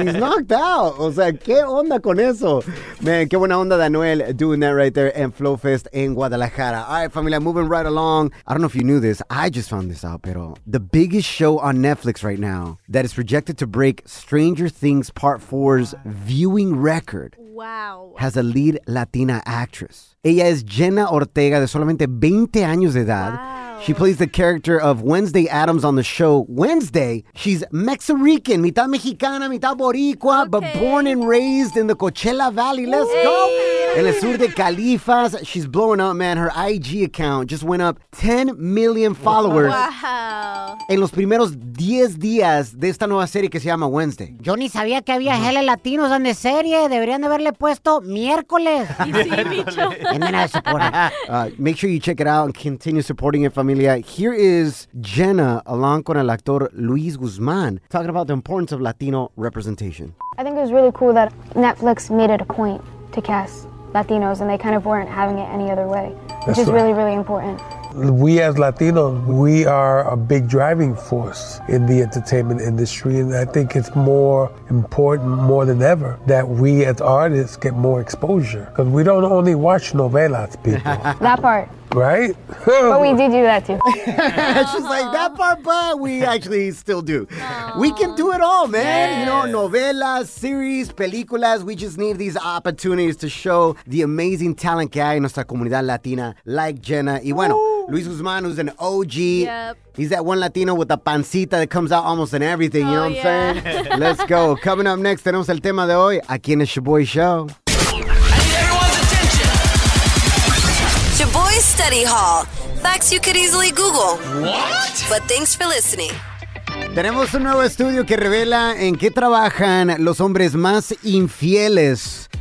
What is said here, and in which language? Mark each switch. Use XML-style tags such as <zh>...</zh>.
<en>He's knocked out.</en> <es>O sea, ¿qué onda con eso? Man, qué buena onda de Anuel</es> <en>doing that right there in Flow Fest</en> <es>en Guadalajara.</es> <en>All right, familia, moving right along. I don't know if you knew this. I just found this out,</en> <es>pero</es> <en>the biggest show on Netflix right now that is projected to break Stranger Things Part 4's viewing record. Wow. Has a lead Latina actress.</en> <es>Ella es Jenna Ortega, de solamente 20 años de edad.</es> <en>Wow. She plays the character of Wednesday Adams on the show Wednesday. She's Mexican,</en> <es>mitad mexicana, mitad boricua,</es> <en>okay, but born and raised in the Coachella Valley. Let's go.</en> <es>En el sur de Califas.</es> <en>She's blowing up, man. Her IG account just went up 10 million followers. Wow.</en> <es>En los primeros 10 días de esta nueva serie que se llama Wednesday. Yo ni sabía que había hella latinos en la serie. Deberían de haberle puesto miércoles. Miércoles.</es> <en>Make sure you check it out and continue supporting it, familia. Here is Jenna along</en> <es>con el actor</es> <en>Luis Guzmán talking about the importance of Latino representation. I think it was really cool that Netflix made it a point to cast Latinos, and they kind of weren't having it any other way, which is really, really important. We as Latinos, we are a big driving force in the entertainment industry, and I think it's more important, more than ever, that we as artists get more exposure. Because we don't only watch novelas, people. That part. Right? But we do that too. She's like, that part, but we actually still do. We can do it all, man. Yes. You know, novelas, series, películas. We just need these opportunities to show the amazing talent</en> <es>que hay en nuestra comunidad latina,</es> <en>like Jenna.</en> <es>Y bueno,</es> <en>ooh. Luis Guzmán, who's an OG. Yep. He's that one Latino with a pancita that comes out almost in everything. You know what I'm saying? Let's go. Coming up next,</en> <es>tenemos el tema de hoy aquí en el Shaboy Show.</es> <en>Study Hall. Facts you could easily Google. What? But thanks for listening.</en> <es>Tenemos un nuevo estudio que revela en qué trabajan los hombres más infieles.</es>